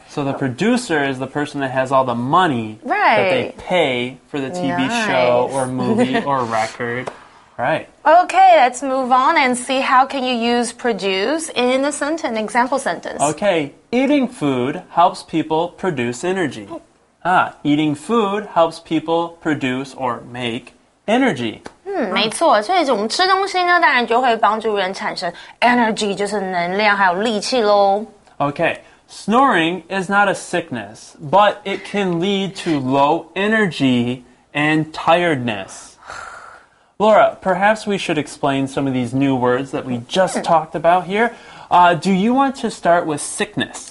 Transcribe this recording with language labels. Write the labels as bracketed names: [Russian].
[English] So the producer is the person that has all the money that they pay for the TV show or movie or record. Right. Okay, let's move on and see how can you use produce in a sentence, example sentence. Okay, eating food helps people produce energy. Eating food helps people produce or make energy. [Chinese] 没错，所以我们吃东西呢，当然就会帮助人产生 energy, 就是能量还有力气咯。 [English] Okay, snoring is not a sickness, but it can lead to low energy and tiredness. Laura, perhaps we should explain some of these new words that we just talked about here. Do you want to start with sickness?